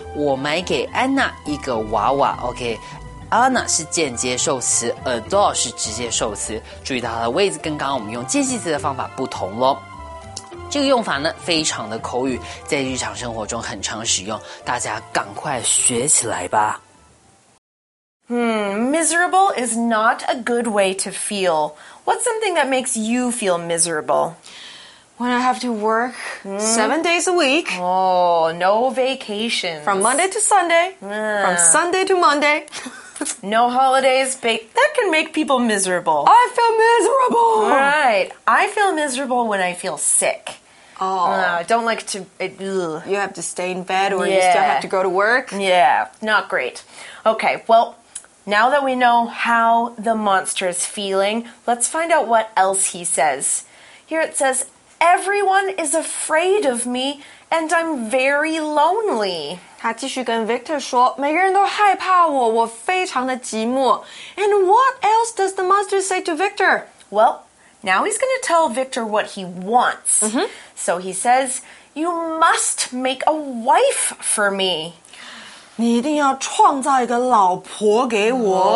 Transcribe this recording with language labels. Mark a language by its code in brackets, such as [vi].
[zh] 我买给安娜一个娃娃。OK, Anna 是间接受词 ，a doll 是直接受词。注意到它的位置跟刚刚我们用介系词的方法不同咯。这个用法呢非常的口语，在日常生活中很常使用，大家赶快学起来吧。 [en] Miserable is not a good way to feel. What's something that makes you feel miserable? When I have to work 7 days a week. Oh, no vacations. From Monday to Sunday. From Sunday to Monday. No holidays. That can make people miserable. I feel miserable. Right. I feel miserable when I feel sick. You have to stay in bed or you still have to go to work. Yeah, not great. Okay, well, now that we know how the monster is feeling, let's find out what else he says. Here it says, everyone is afraid of me and I'm very lonely. [zh] 他继续跟 Victor 说，每个人都害怕我，我非常的寂寞。 [en] And what else does the monster say to Victor? Well,Now he's going to tell Victor what he wants. Mm-hmm. So he says, you must make a wife for me. [zh] 你一定要创造一个老婆给我。